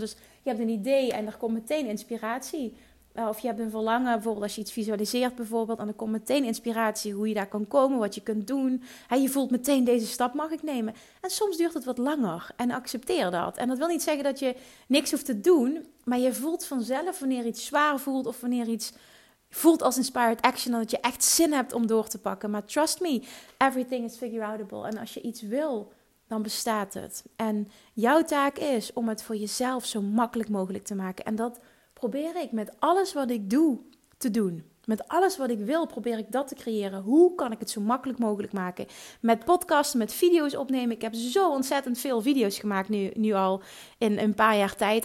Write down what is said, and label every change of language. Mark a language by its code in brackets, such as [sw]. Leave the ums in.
[nl] Dus je hebt een idee en er komt meteen inspiratie. Uh, of je hebt een verlangen, bijvoorbeeld als je iets visualiseert bijvoorbeeld, en dan komt meteen inspiratie hoe je daar kan komen, wat je kunt doen. Hè, je voelt meteen deze stap mag ik nemen. En soms duurt het wat langer en accepteer dat. En dat wil niet zeggen dat je niks hoeft te doen, maar je voelt vanzelf wanneer iets zwaar voelt of wanneer iets voelt als [en] inspired action, [nl] dat je echt zin hebt om door te pakken. Maar [en] trust me, everything is figure outable. [nl] En als je iets wil, dan bestaat het. En jouw taak is om het voor jezelf zo makkelijk mogelijk te maken. En dat probeer ik met alles wat ik doe te doen. Met alles wat ik wil probeer ik dat te creëren. Hoe kan ik het zo makkelijk mogelijk maken? Met podcasten, met video's opnemen. Ik heb zo ontzettend veel video's gemaakt nu, nu al in een paar jaar tijd.